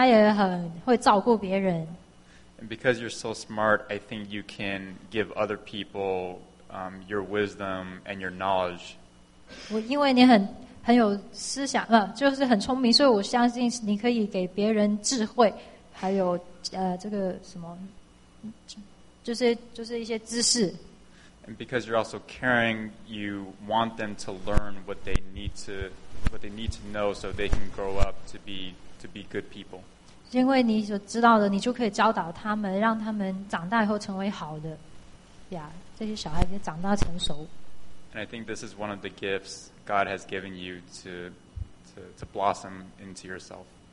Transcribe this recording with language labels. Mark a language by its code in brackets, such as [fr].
[zh] 我就看到你就像那个角色一样,就是很聪明,可是他也很会照顾别人。 [en] And because you're so smart, I think you can give other people your wisdom and your knowledge. [zh] 因为你很有思想,就是很聪明,所以我相信你可以给别人智慧。还有这个什么，就是一些知识。 [en] And because you're also caring, you want them to learn what they need to know, so they can grow up to be good people. [zh] 因为你所知道的，你就可以教导他们，让他们长大以后成为好的。 Yeah, 这些小孩子长大成熟。 [en] And I think this is one of the gifts God has given you to blossom into yourself.